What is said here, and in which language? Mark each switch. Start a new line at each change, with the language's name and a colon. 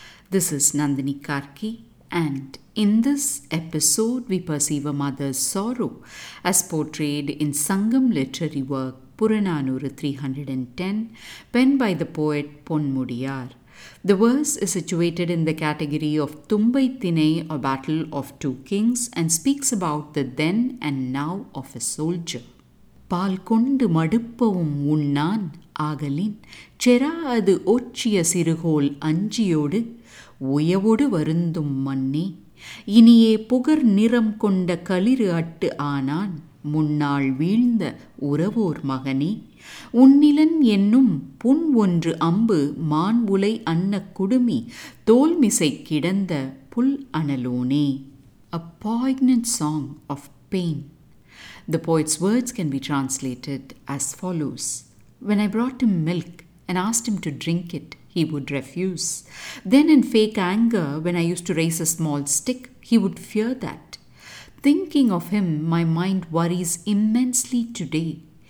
English: This is Nandini Karki, and in this episode we perceive a mother's sorrow as portrayed in Sangam literary work Puranaanooru 310, penned by the poet Ponmudiyaar. The verse is situated in the category of Thumbai Thinai, or Battle of Two Kings, and speaks about the then and now of a soldier.
Tamil: பால் கொண்டு மடுப்பவும் உண்ணான் ஆகலின் செரா அது ஒற்றிய சிறுகோல் அஞ்சியோடு உயவோடு வருந்தும் மண்ணே இனியே புகர் நிறம் கொண்ட களிறு at ஆனான் முன்னாள் வீழ்ந்த உறவோர் மகனே உன்னிலன் என்னும் புன் ஒன்று அம்பு மான் உலை அன்ன குடுமி தோல்மிசை கிடந்த புல் அனலோனே.
English: A poignant song of pain. The poet's words can be translated as follows. When I brought him milk and asked him to drink it, he would refuse. Then in fake anger, when I used to raise a small stick, he would fear that. Thinking of him, my mind worries immensely today.